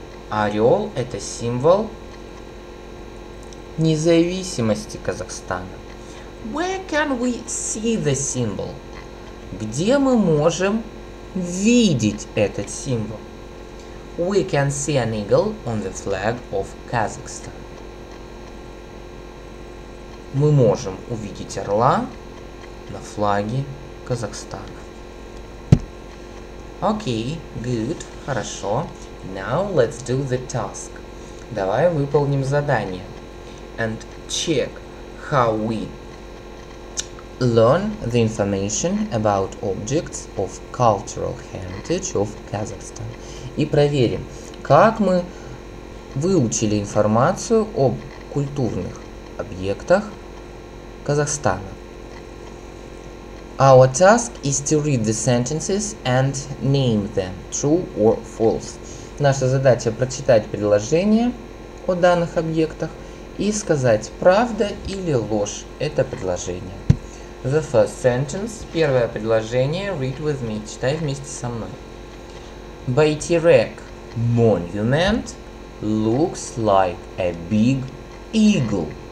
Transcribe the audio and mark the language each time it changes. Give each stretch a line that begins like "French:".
Russian: Орел – это символ независимости Казахстана.
English: Where can we see the symbol?
Russian: Где мы можем видеть этот символ?
English: We can see an eagle on the flag of Kazakhstan.
Russian: Мы можем увидеть орла на флаге Казахстана.
English: Окей, good,
Russian: хорошо.
English: Now let's do the task.
Russian: Давай выполним задание.
English: And check how we learn the information about objects of cultural heritage of Kazakhstan.
Russian: И проверим, как мы выучили информацию об культурных объектах Казахстана.
English: Our task is to read the sentences and name them, true or false.
Russian: Наша задача прочитать предложение о данных объектах и сказать, правда или ложь это предложение.
English: The first sentence,
Russian: первое предложение,
English: read with me,
Russian: читай вместе со мной.
English: Baitirek monument looks like a big eagle.